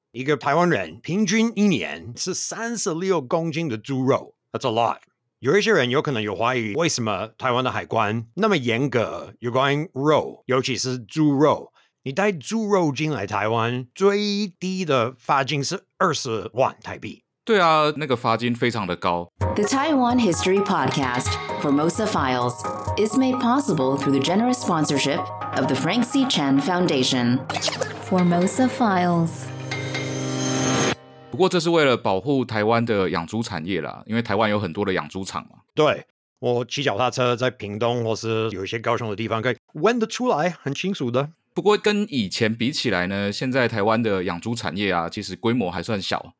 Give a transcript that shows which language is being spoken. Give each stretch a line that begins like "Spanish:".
Chinese: 一个台湾人平均一年吃36公斤的猪肉，
English: That's a lot。
Chinese: 有一些人有可能有怀疑，为什么台湾的海关那么严格有关肉，尤其是猪肉。你带猪肉进来台湾，最低的罚金是20万台币。对啊，那个罚金非常的高。
English: The Taiwan History Podcast Formosa Files is made possible through the generous sponsorship of the Frank C. Chen Foundation. Formosa Files.
Chinese: 不过这是为了保护台湾的养猪产业啦，因为台湾有很多的养猪场嘛。对，我骑脚踏车在屏东或是有一些高雄的地方可以闻得出来，很清楚的。不过跟以前比起来呢，现在台湾的养猪产业啊，其实规模还算小。